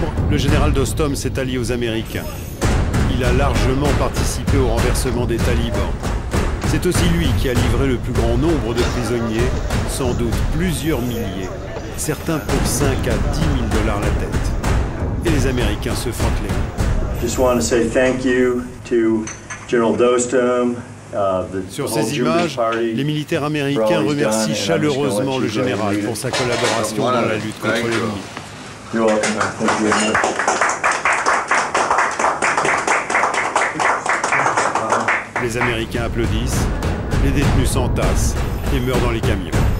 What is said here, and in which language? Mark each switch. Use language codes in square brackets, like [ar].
[fr] Le général Dostum s'est allié aux Américains. Il a largement participé au renversement des talibans. C'est aussi lui qui a livré le plus grand nombre de prisonniers, sans doute plusieurs milliers, certains pour 5 à 10 000 dollars la tête. Et les Américains se frottent les mains. [en] Just want to say thank you to General Dostum. [fr] Sur ces images, les militaires américains remercient chaleureusement le général pour sa collaboration dans la lutte contre l'ennemi. [en] You're welcome. Thank you. [fr] Les Américains applaudissent, les détenus s'entassent et meurent dans les camions.